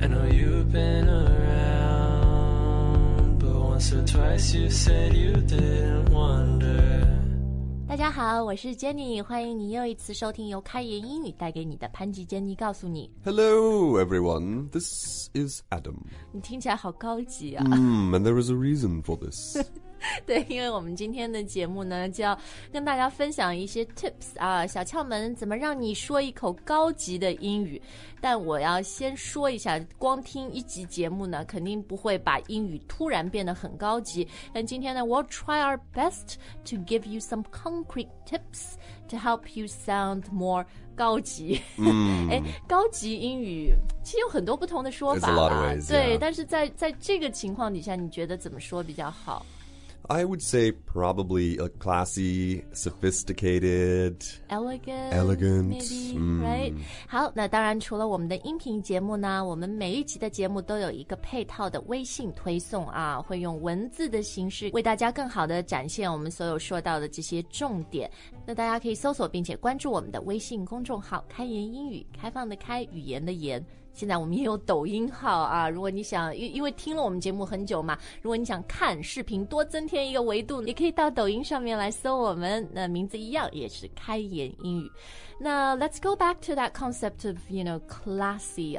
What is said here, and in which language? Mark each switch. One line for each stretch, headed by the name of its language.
English: you've been around, but once or twice you said you didn't wonder.
Chinese: 大家好，我是 Jenny， 欢迎你又一次收听由开言英语带给你的潘吉 Jenny 告诉你。
English: Hello everyone, this is Adam.
Chinese: 你听起来好高级啊。
English: And there is a reason for this.
Chinese: 对，因为我们今天的节目呢，就要跟大家分享一些 tips 啊，小窍门，怎么让你说一口高级的英语。但我要先说一下，光听一集节目呢，肯定不会把英语突然变得很高级。但今天呢
English: ，we'll try our best to give you some concrete tips to help you sound more 高级。
Chinese: 高级英语其实有很多不同的说法
English: 吧。Ways,
Chinese: 对，
English: yeah.
Chinese: 但是在这个情况底下，你觉得怎么说比较好？
English: I would say probably a classy, sophisticated, elegant, maybe, right?
Chinese: 好，那当然除了我们的音频节目呢，我们每一集的节目都有一个配套的微信推送啊，会用文字的形式为大家更好的展现我们所有说到的这些重点。那大家可以搜索并且关注我们的微信公众号“开言英语”，开放的开，语言的言。现在我们也有抖音号啊，如果你想因为听了我们节目很久嘛，如果你想看视频多增添一个维度，你可以到抖音上面来搜我们，那名字一样也是开言英语。
English: 那 let's go back to that concept of, you know, classy,